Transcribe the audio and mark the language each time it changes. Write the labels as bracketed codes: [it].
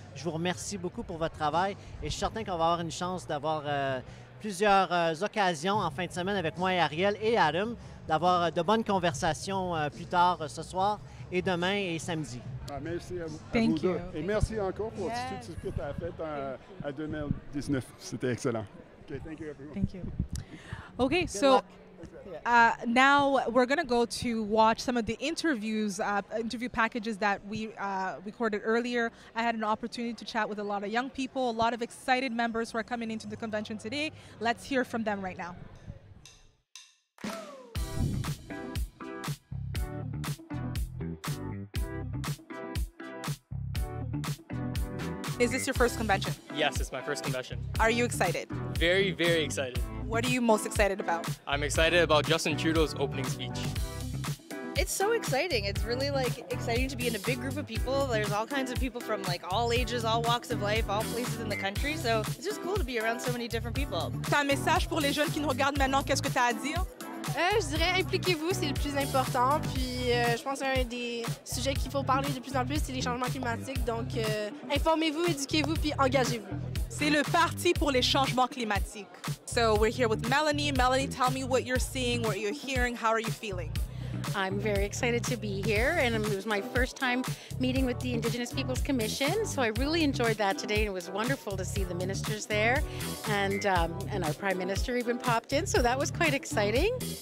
[fr] Je vous remercie beaucoup pour votre travail et je suis certain qu'on va avoir une chance d'avoir plusieurs occasions en fin de semaine avec moi et Ariel et Adam, d'avoir de bonnes conversations plus tard ce soir et demain et samedi. Merci à vous. [en] Thank you. [fr] Et merci encore pour tout ce que tu as fait en 2019. C'était excellent. [en] OK, thank you, everyone. Thank you. OK, so... now we're going to go to watch some of the interview packages that we recorded earlier. I had an opportunity to chat with a lot of young people, a lot of excited members who are coming into the convention today. Let's hear from them right now. Is this your first convention? Yes, it's my first convention. Are you excited? Very, very excited. What are you most excited about? I'm excited about Justin Trudeau's opening speech. It's so exciting. It's really like exciting to be in a big group of people. There's all kinds of people from like all ages, all walks of life, all places in the country. So it's just cool to be around so many different people. [fr] T'as un message pour les jeunes qui nous regardent maintenant, qu'est-ce que t'as à dire? Je dirais impliquez-vous, c'est le plus important. Puis je pense qu'un des sujets qu'il faut parler de plus en plus, c'est les changements climatiques. Donc informez-vous, éduquez-vous, puis engagez-vous. C'est le parti pour les changements climatiques. [en] So we're here with Mélanie. Mélanie, tell me what you're seeing, what you're hearing, how are you feeling? I'm very excited to be here, and it was my first time meeting with the Indigenous Peoples Commission, so I really enjoyed that today, and it was wonderful to see the ministers there, and our Prime Minister even popped in, so that was quite exciting.